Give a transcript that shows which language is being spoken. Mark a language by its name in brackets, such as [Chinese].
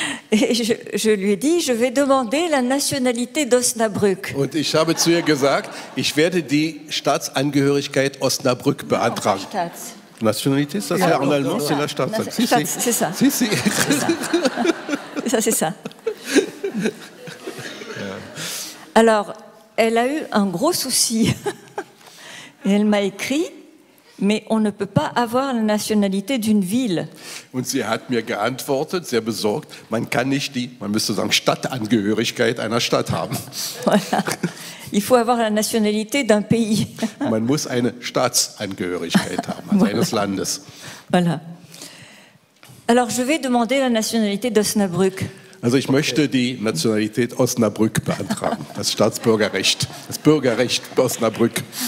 [French] Et je lui ai dit, je vais demander la nationalité d'Osnabrück. [German] Und ich habe zu ihr gesagt, ich werde die Staatsangehörigkeit Osnabrück beantragen. [French] Ja, Nationalité, ça c'est en allemand, c'est la Staatsangehörigkeit. C'est ça. Si, si. Ça, c'est ça. Alors, elle a eu un gros souci. Et elle m'a écrit. Mais on ne peut pas avoir la nationalité d'une ville. [German] Und sie hat mir geantwortet, sehr besorgt, man kann nicht die, man müsste sagen, Stadtangehörigkeit einer Stadt haben. [French] Voilà. Il faut avoir la nationalité d'un pays. [German] Man muss eine Staatsangehörigkeit haben, also voilà. Eines Landes. [French] Voilà. Alors je vais demander la nationalité d'Osnabrück. [German] Also ich möchte die Nationalität Osnabrück beantragen, das Staatsbürgerrecht, das Bürgerrecht Osnabrück.